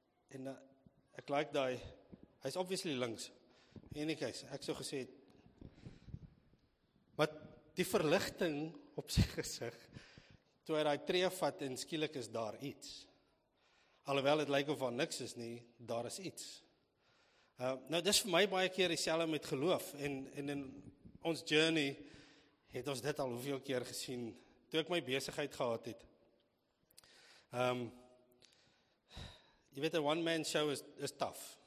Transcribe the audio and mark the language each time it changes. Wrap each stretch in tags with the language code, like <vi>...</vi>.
<af>Ek like die, hy is obviously links. En ek is, ek so gesê, wat die verligting op sy gezicht, toe hy die tree vat en skielik is daar iets. Alhoewel het lyk of al niks is nie, daar is iets. Nou, dis vir my baie keer die selle met geloof. En in ons journey, het ons dit al hoeveel keer gesien, toe ek my besigheid gehad het. Jy weet,</af> <en>a one man show is tough.</en>